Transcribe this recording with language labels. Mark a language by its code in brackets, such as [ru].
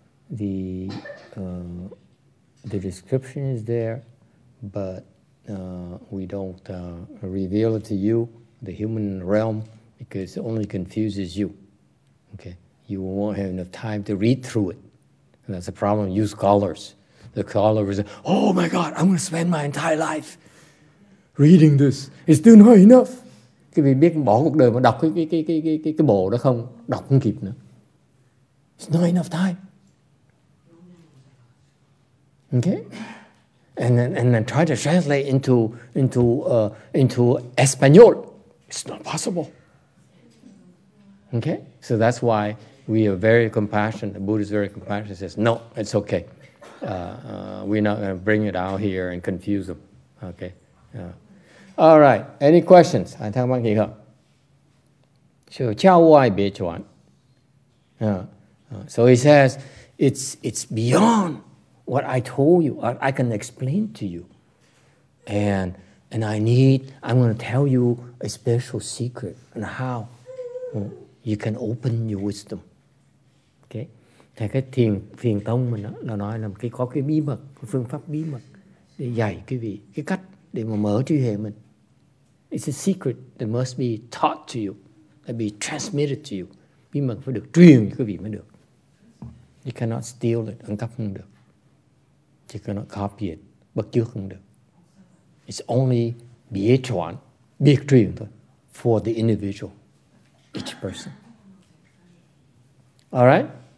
[en] The description is there, but we don't reveal it to you, the human realm, because it only confuses you. Okay, you won't have enough time to read through it. And that's a problem. You scholars, the scholars, oh my God, I'm going to spend my entire life reading this. It's still not enough. [vi] Cái vì biết bỏ cuộc đời mà đọc cái bộ đó không, đọc không kịp nữa. [en] It's not enough time. Okay? And then try to translate into Espanol. It's not possible. Okay? So that's why we are very compassionate. The Buddha is very compassionate. He says, no, it's okay. We're not going to bring it out here and confuse them. Okay? All right. Any questions? I thank you. [zh] So, 教外别传. [en] So he says, it's beyond what I told you. I can explain to you, and I'm going to tell you a special secret and how you can open your wisdom. Okay. [vi] Thì cái thiền tông mình nó nói là cái có cái bí mật, cái phương pháp bí mật để dạy quý vị cái cách để mà mở trí huệ mình. [en] It's a secret that must be taught to you, that be transmitted to you. [vi] Bí mật phải được truyền cho quý vị mới được. [en] You cannot steal it, [vi] ăn cắp không được. [en] You cannot copy it, [vi] bắt chước không được. [en] It's only bia chuan, bia truyền thôi, for the individual, each person. All right?